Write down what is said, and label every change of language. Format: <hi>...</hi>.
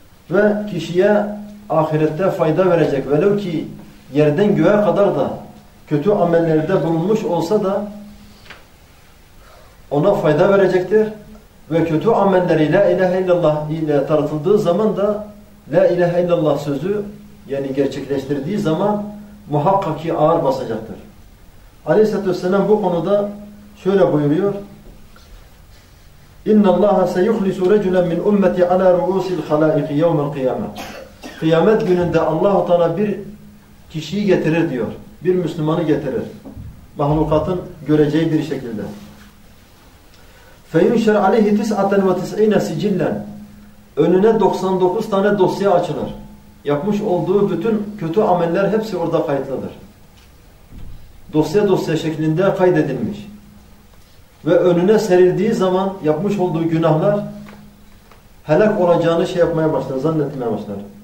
<tr>ve kişiye ahirette fayda verecek. Velev ki yerden göğe kadar da kötü amellerde bulunmuş olsa da ona fayda verecektir. Ve kötü amelleri la ilahe illallah ile tartıldığı zaman da la ilahe illallah sözü yani gerçekleştirdiği zaman muhakkak ki ağır basacaktır. Aleyhisselatü vesselam bu konuda şöyle buyuruyor.</tr> <ar>اِنَّ اللّٰهَ سَيُخْلِسُ رَجُلًا مِنْ اُمَّتِ عَلَى رُؤُسِ الْخَلَائِقِ يَوْمَ الْقِيَامَةِ</ar> <tr>Kıyamet gününde Allah-u Teala bir kişiyi getirir diyor. Bir Müslümanı getirir. Mahlukatın göreceği bir şekilde.</tr> <ar>فَيُنْشَرْ عَلَيْهِ تِسْعَةً وَتِسْعِينَ سِجِلًا</ar> <tr>Önüne 99 tane dosya açılır. Yapmış olduğu bütün kötü ameller hepsi orada kayıtlıdır. Dosya dosya şeklinde kaydedilmiş. Ve önüne serildiği zaman yapmış olduğu günahlar helak olacağını şey yapmaya başlar, zannetmeye başlar.</tr>